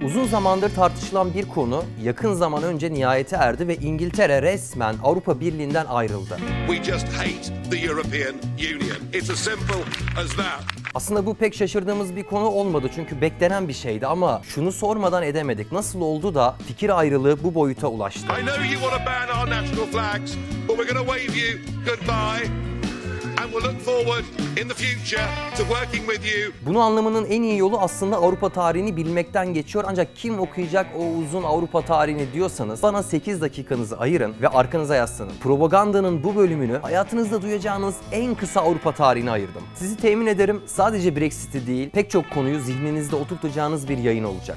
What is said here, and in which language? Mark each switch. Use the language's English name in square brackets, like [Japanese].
[Turkish] Uzun zamandır tartışılan bir konu yakın zaman önce nihayete erdi ve İngiltere resmen Avrupa Birliği'nden ayrıldı. [English] We just hate the European Union. It's as simple as that. [Turkish] Aslında bu pek şaşırdığımız bir konu olmadı çünkü beklenen bir şeydi ama şunu sormadan edemedik. Nasıl oldu da fikir ayrılığı bu boyuta ulaştı? [English] I know you want to ban our national flags, but we're going to wave you goodbye. And we'll look forward in the future to working with you. [Turkish] Bunu anlamanın en iyi yolu aslında Avrupa tarihini bilmekten geçiyor. Ancak kim okuyacak o uzun Avrupa tarihini diyorsanız bana 8 dakikanızı ayırın ve arkanıza yaslanın. Propagandanın bu bölümünü hayatınızda duyacağınız en kısa Avrupa tarihine ayırdım. Sizi temin ederim sadece Brexit'i değil pek çok konuyu zihninizde oturtacağınız bir yayın olacak.